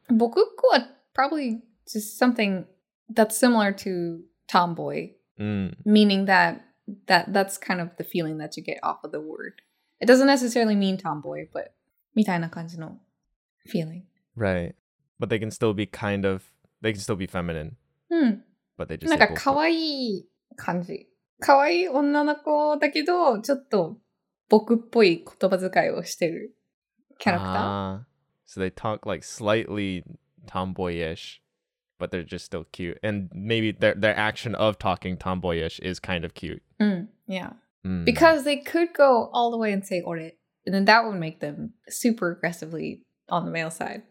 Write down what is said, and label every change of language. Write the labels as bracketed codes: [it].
[en] Bokuko probably just something that's similar to tomboy. Meaning that's kind of the feeling that you get off of the word. It doesn't necessarily mean tomboy, but [ja] みたいな感じの [en] feeling. Right. But they can still be kind of, they can still be feminine. Mm. But they just say [ja] なんか可愛い感じ。可愛い女の子だけど、ちょっと僕っぽい言葉遣いをしてるキャラクター。 [en] Ah, so they talk like slightly tomboyish, but they're just still cute. And maybe their action of talking tomboyish is kind of cute. Yeah. Because they could go all the way and say ore, and then that would make them super aggressively on the male side.